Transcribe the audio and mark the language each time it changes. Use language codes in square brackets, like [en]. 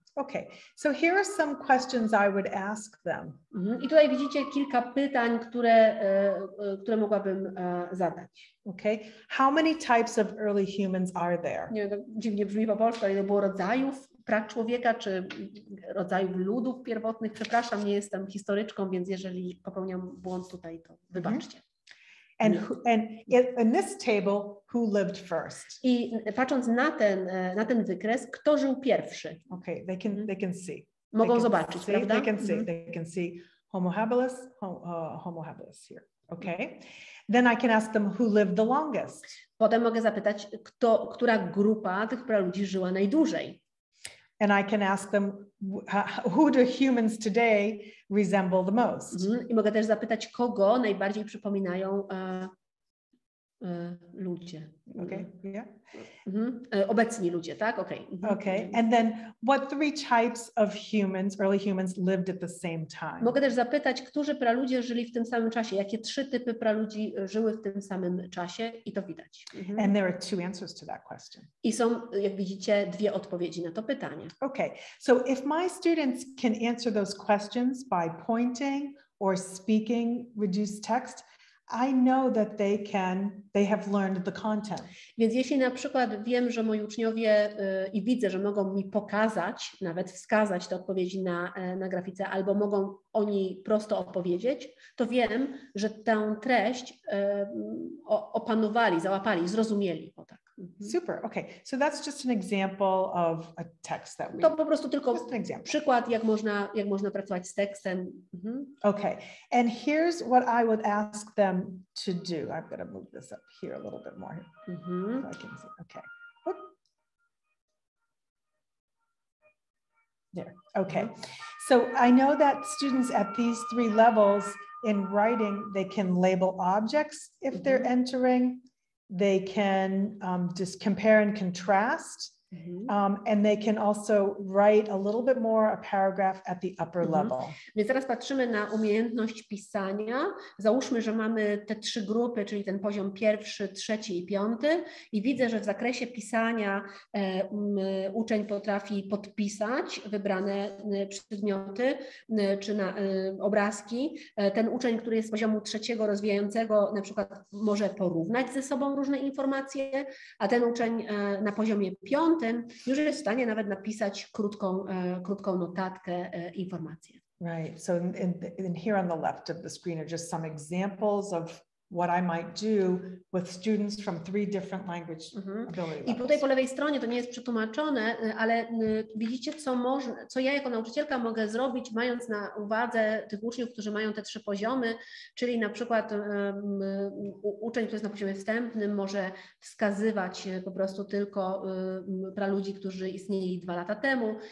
[en] Okay, so here are some questions I would ask them. Mm-hmm. [pl] I tutaj widzicie kilka pytań, które mogłabym zadać. [en] Okay, how many types of early humans are there? [pl] Nie, to dziwnie brzmi po polsku, ale ile było rodzajów praczłowieka, czy rodzajów ludów pierwotnych. Przepraszam, nie jestem historyczką, więc jeżeli popełniam błąd tutaj, to wybaczcie. [en] And in this table, who lived first? [pl] I patrząc na ten wykres, kto żył pierwszy? [en] Okay, they can see. [pl] Mogą [en] they [pl] zobaczyć, [en] see, [pl] prawda? [en] They can see homo habilis here. Okay. Then I can ask them who lived the longest. [pl] Potem mogę zapytać, która grupa tych praludzi żyła najdłużej. [en] And I can ask them who do humans today resemble the most. [pl] I mogę też zapytać, kogo najbardziej przypominają ludzie. [en] Okay. Yeah. [pl] Obecni ludzie, tak? Okay. [en] Okay. And then what three types of humans, early humans lived at the same time? [pl] Mogę też zapytać, którzy praludzie żyli w tym samym czasie? Jakie trzy typy praludzi żyły w tym samym czasie? I to widać. Mm-hmm. [en] And there are two answers to that question. [pl] I są, jak widzicie, dwie odpowiedzi na to pytanie. [en] Okay. So if my students can answer those questions by pointing or speaking reduced text, I know that they have learned the content. [pl] Więc jeśli na przykład wiem, że moi uczniowie i widzę, że mogą mi pokazać, nawet wskazać te odpowiedzi na grafice, albo mogą oni prosto odpowiedzieć, to wiem, że tę treść opanowali, załapali, zrozumieli. O tak. [en] Super, okay. So that's just an example of a text that we... [pl] To po prostu tylko przykład, jak można pracować z tekstem. Mhm. [en] Okay, and here's what I would ask them to do. I've got to move this up here a little bit more. Mm-hmm. So I can see. Okay. Oop. There, okay. So I know that students at these three levels in writing, they can label objects if mm-hmm. they're entering. They can just compare and contrast, mm-hmm. And they can also write a little bit more a paragraph at the upper mm-hmm. level. [pl] Więc teraz patrzymy na umiejętność pisania. Załóżmy, że mamy te trzy grupy, czyli ten poziom pierwszy, trzeci i piąty. I widzę, że w zakresie pisania uczeń potrafi podpisać wybrane przedmioty czy obrazki. Ten uczeń, który jest z poziomu trzeciego rozwijającego, na przykład może porównać ze sobą różne informacje, a ten uczeń na poziomie piątym już jest w stanie nawet napisać krótką notatkę, informację. [en] Right. So in here on the left of the screen are just some examples of what I might do with students from three different language abilities. [pl] I tutaj po lewej stronie to nie jest przetłumaczone, ale widzicie, co ja jako nauczycielka mogę zrobić, mając na uwadze tych uczniów, którzy mają te trzy poziomy, czyli na przykład uczeń, który jest na poziomie wstępnym, może wskazywać po prostu tylko praludzi, którzy istnieli dwa lata temu.